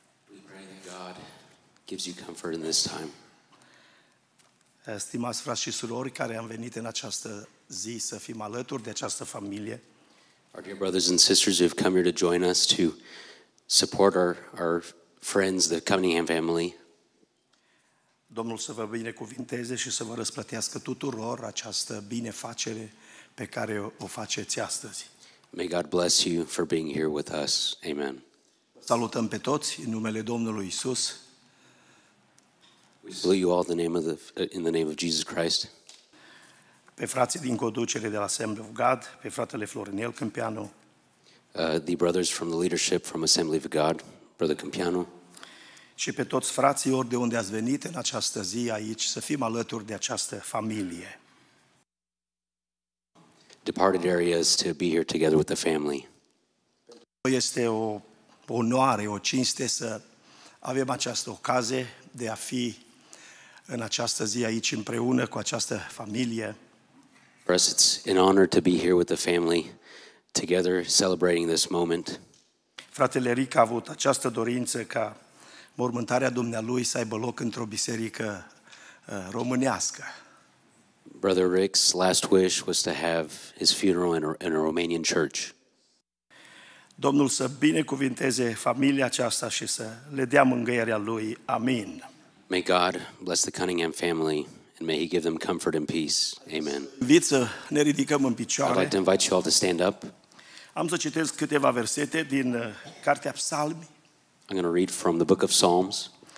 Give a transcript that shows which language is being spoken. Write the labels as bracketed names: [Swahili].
[English] We pray that God gives you comfort in this time. [Romanian] Stimați frați și surori care am venit în această zi să fim alături de această familie. [English] Our dear brothers and sisters who have come here to join us to support our friends, the Cunningham family. [Romanian] Domnul să vă binecuvinteze și să vă răsplătească tuturor această binefacere pe care o faceți astăzi. [English] May God bless you for being here with us. Amen. [Romanian] Salutăm pe toți în numele Domnului Isus. [English] We salute you all in the name of Jesus Christ. [Romanian] Pe frații din conducere de la Assembly of God, pe fratele Florinel Câmpianu. [English] The brothers from the leadership from Assembly of God, Brother Câmpianu. [Romanian] Și pe toți frații oriunde ați venit în această zi aici să fim alături de această familie. [English] Departed areas to be here together with the family. [Romanian] Este o onoare, o cinste să avem această ocazie de a fi în această zi aici împreună cu această familie. [English] For us, it's an honor to be here with the family together celebrating this moment. [Romanian] Fratele Eric a avut această dorință ca mormântarea dumnealui să aibă loc într-o biserică românească. [English] Brother Rick's last wish was to have his funeral in a Romanian church. [Romanian] Domnul să binecuvinteze familia aceasta și să le dea mângâierea Lui. Amin. [English] May God bless the Cunningham family and may He give them comfort and peace. Amen. [Romanian] Invit să ne ridicăm în picioare. [English] I'd like to invite you all to stand up. [Romanian] Am să citesc câteva versete din cartea Psalmi. [English] I'm going to read from the book of Psalms.